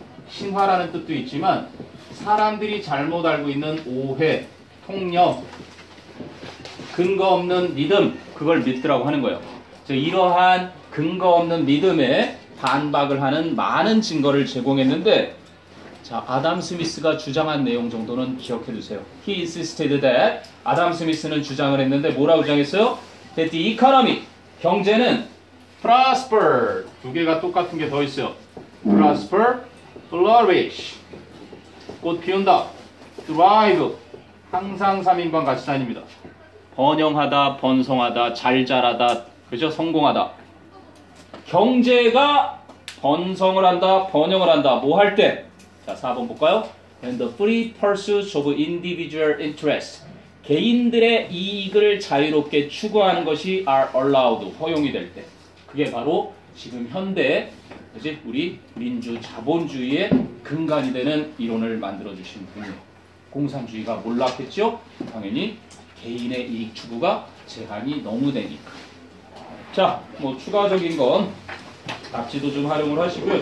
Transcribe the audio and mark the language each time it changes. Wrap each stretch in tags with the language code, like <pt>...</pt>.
<ko>신화라는 뜻도 있지만 사람들이 잘못 알고 있는 오해, 통념, 근거 없는 믿음, 그걸 믿으라고 하는 거예요. 즉 이러한 근거 없는 믿음에 반박을 하는 많은 증거를 제공했는데, 자 아담 스미스가 주장한 내용 정도는 기억해 두세요.</ko> <en>He insisted that,</en> <ko>아담 스미스는 주장을 했는데 뭐라고 주장했어요?</ko> <en>That the economy,</en> <ko>경제는 prosper, 두 개가 똑같은 게 더 있어요. prosper, flourish, 곧 피운다, thrive, 항상 3인방 같이 다닙니다. 번영하다, 번성하다, 잘 자라다, 그죠? 성공하다. 경제가 번성을 한다, 번영을 한다, 뭐 할 때? 자, 4번 볼까요?</ko> <en>And the free pursuit of individual interest,</en> <ko>개인들의 이익을 자유롭게 추구하는 것이</ko> <en>are allowed,</en> <ko>허용이 될 때. 그게 바로 지금 현대에 이제 우리 민주 자본주의의 근간이 되는 이론을 만들어주신 분이에요. 공산주의가 몰랐겠죠? 당연히 개인의 이익 추구가 제한이 너무 되니까. 자, 뭐 추가적인 건 답지도 좀 활용을 하시고요.</ko>